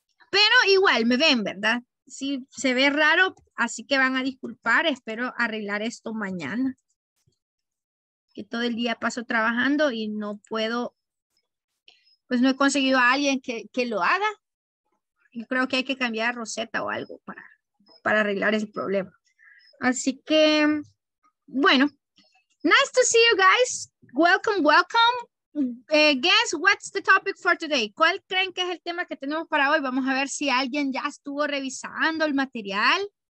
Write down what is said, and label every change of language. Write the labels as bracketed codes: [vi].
[es] Pero igual me ven, ¿verdad? Sí, se ve raro, así que van a disculpar. Espero arreglar esto mañana. Que todo el día paso trabajando y no puedo, pues no he conseguido a alguien que lo haga. Y creo que hay que cambiar a Rosetta o algo para arreglar ese problema. Así que, bueno, [en] nice to see you guys. Welcome, welcome. Guess what's the topic for today? [es] ¿Cuál creen que es el tema que tenemos para hoy? Vamos a ver si alguien ya estuvo revisando el material.